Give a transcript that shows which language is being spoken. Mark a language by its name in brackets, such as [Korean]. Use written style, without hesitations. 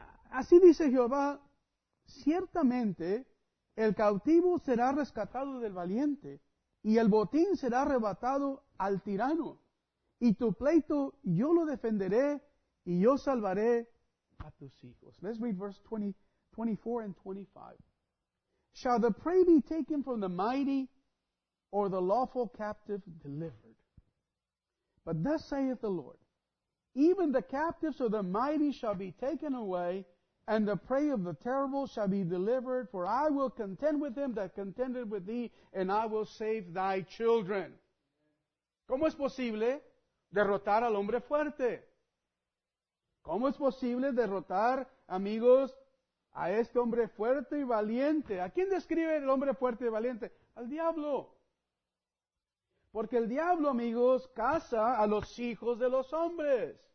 [Spanish] Así dice Jehová, ciertamente el cautivo será rescatado del valiente, y el botín será arrebatado al tirano, y tu pleito yo lo defenderé, y yo salvaré a tus hijos. [English] Let's read verse 24 and 25. Shall the prey be taken from the mighty, or the lawful captive delivered? But thus saith the Lord, even the captives of the mighty shall be taken away, and the prey of the terrible shall be delivered, for I will contend with him that contended with thee, and I will save thy children. [Spanish] ¿Cómo es posible derrotar al hombre fuerte? ¿Cómo es posible derrotar, amigos, a este hombre fuerte y valiente? ¿A quién describe el hombre fuerte y valiente? Al diablo. Porque el diablo, amigos, caza a los hijos de los hombres.